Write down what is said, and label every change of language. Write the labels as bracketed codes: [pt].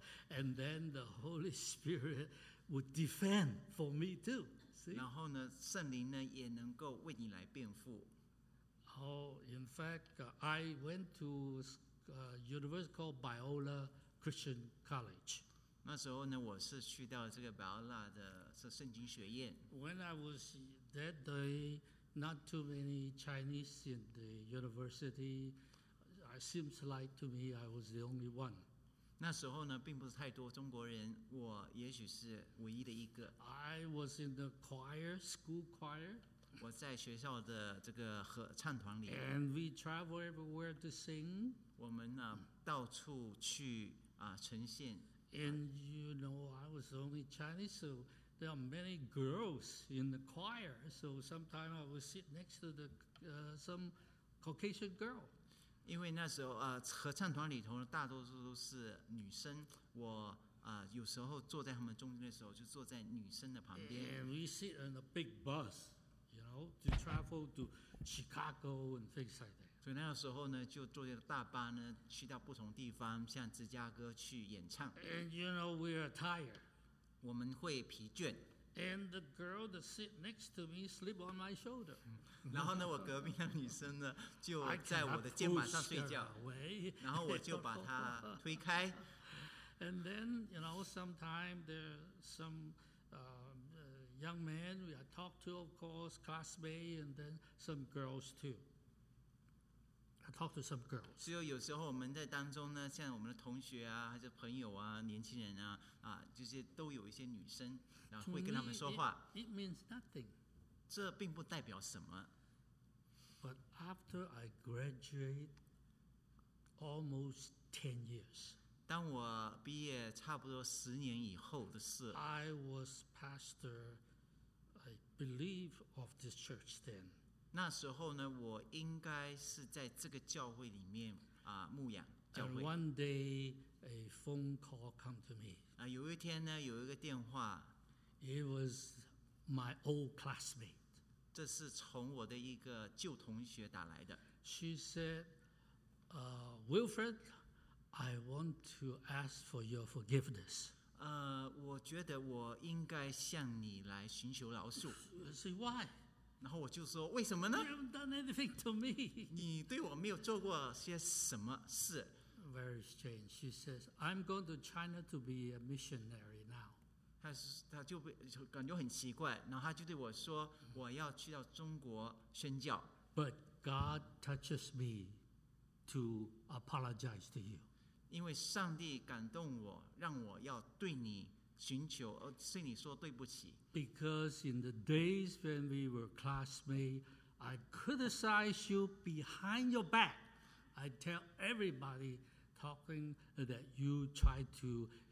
[en] And then the Holy Spirit would defend for me too. See? [zh] 然后呢，圣灵呢也能够为你来辩护。 [en] Oh, in fact, I went to a university called Biola Christian College. [zh] 那时候呢，我是去到这个 Biola 的圣经学院。 [en] When I was that day, not too many Chinese in the university. It seems like to me I was the only one. [zh] 那时候呢，并不是太多中国人，我也许是唯一的一个。 [en] I was in the choir, school choir. [zh] 我在学校的这个合唱团里。 [en] And we travel everywhere to sing. [zh] 我们呢，到处去呈现。 [en] And you know, I was only Chinese, so there are many girls in the choir. So sometimes I would sit next to the some Caucasian girl. [zh] 因为那时候合唱团里头大多数都是女生，我有时候坐在他们中间的时候，就坐在女生的旁边。 [en] And we sit on a big bus, you know, to travel to Chicago and things like that. [zh] 所以那个时候呢，就坐着大巴呢，去到不同地方，像芝加哥去演唱。 [en] And you know we are tired. [zh] 我们会疲倦。 [en] And the girl that sit next to me sleep on my shoulder. [zh] 然后呢，我隔壁的女生呢，就在我的肩膀上睡觉。然后我就把她推开。 [en] And then, you know, sometimes there some young men we talk to, of course, classmates, and then some girls too. I talk to some girls. [zh] 只有有时候我们在当中呢，像我们的同学啊，还是朋友啊，年轻人啊，就是都有一些女生。然后会跟他们说话。 [en] It means nothing. [zh] 这并不代表什么。 [en] But after I graduate almost 10 years, [zh] 当我毕业差不多十年以后的事。 [en] I was pastor, I believe, of this church then. [zh] 那时候呢，我应该是在这个教会里面牧养教会。 [en] And one day a phone call come to me. [zh] 有一天呢，有一个电话。 [en] It was my old classmate. [zh] 这是从我的一个旧同学打来的。 [en] She said, "Wilfred, I want to ask for your forgiveness." [zh] 我觉得我应该向你来寻求饶恕。 [en] Say why? [zh] 然后我就说为什么呢 [en] ？You haven't done anything to me. [zh] 你对我没有做过些什么事 [en] ？Very strange. She says, "I'm going to China to be a missionary now." [zh] 他就感觉很奇怪，然后他就对我说：“我要去到中国宣教。” [en] But God touches me to apologize to you. [zh] 因为上帝感动我，让我要对你寻求，而对你说对不起。 [en] Because in the days when we were classmates, I criticize you behind your back. I tell everybody talking that you try to.